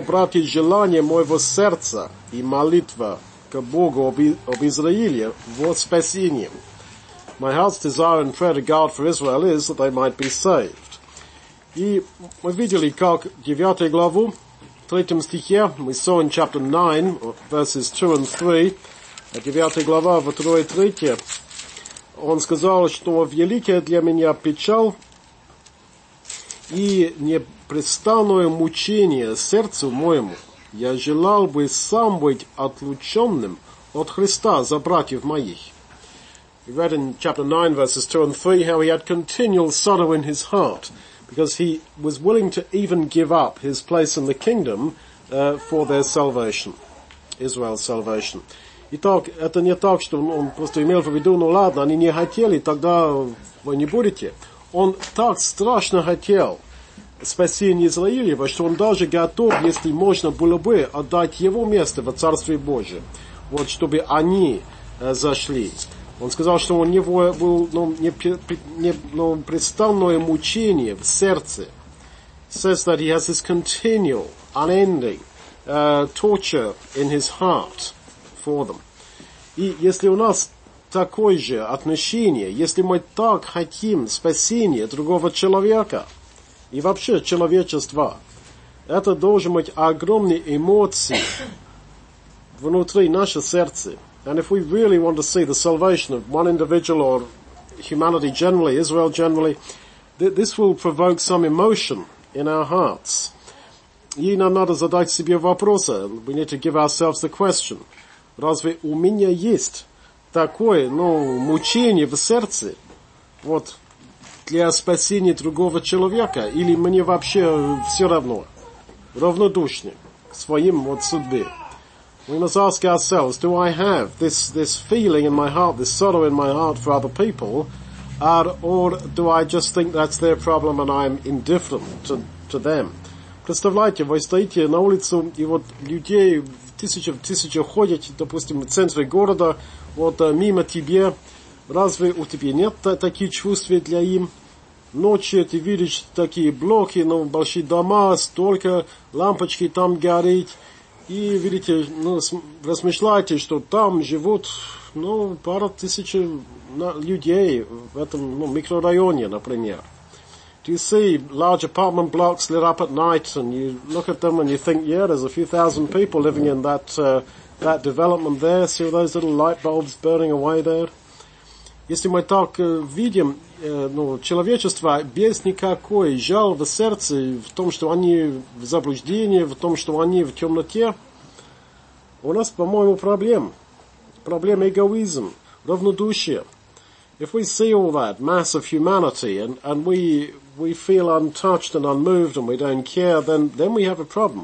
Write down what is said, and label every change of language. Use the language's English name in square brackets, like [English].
[Russian] Братья, желание моего сердца и молитва к Богу об Израиле во спасении. [English] My heart's desire and prayer to God for Israel is that they might be saved. [Russian] И мы видели, как 9 главу, 3 стихе, [English] we saw in chapter 9, verses 2 and 3, [Russian] 9 глава, 2 и 3, он сказал, что великая для меня печаль и непрестанное мучение сердцу моему. Я желал бы сам быть отлученным от Христа за братьев моих. [English] We read in chapter 9, verses 2 and 3, how he had continual sorrow in his heart, because he was willing to even give up his place in the kingdom for their salvation, Israel's salvation. [Russian] Итак, это не так, что он просто имел в виду, ну ладно, они не хотели, тогда вы не будете. Он так страшно хотел спасение Израилева, что он даже готов, если можно было бы, отдать его место во Царстве Божьем, вот, чтобы они зашли. Он сказал, что у него было непрестанное мучение в сердце. [English] Says that he has this continual, unending torture in his heart for them. [Russian] И если у нас такое же отношение, если мы так хотим спасения другого человека и вообще человечества, это должен быть огромные эмоции внутри наше сердце. [English] And if we really want to see the salvation of one individual or humanity generally, Israel generally, this will provoke some emotion in our hearts. [Russian] И нам надо задать себе вопросы. [English] We need to give ourselves the question. [Russian] Разве у меня есть такое, мучение в сердце, вот, для спасения другого человека? Или мне вообще все равно, равнодушны к своим вот судьбе? [English] We must ask ourselves, do I have this feeling in my heart, this sorrow in my heart for other people, or do I just think that's their problem and I'm indifferent to them? [Russian] Представляете, вы стоите на улицу, и вот людей тысячи ходят, допустим, в центре города, вот мимо тебя. Разве у тебя нет такие чувства для им? Ночью ты видишь такие блоки, большие дома, столько лампочки там горит. И видите, размышляете, что там живут, пара тысяч людей в этом микрорайоне, например. [English] Do you see large apartment blocks lit up at night, and you look at them and you think, yeah, there's a few thousand people living in that development there. See all those little light bulbs burning away there. [Russian] Если мы так видим, человечество без никакой жал в сердце в том, что они в заблуждении, в том, что они в темноте. У нас, по-моему, проблема эгоизм, равнодушие. [English] If we see all that mass of humanity and we feel untouched and unmoved and we don't care, then we have a problem.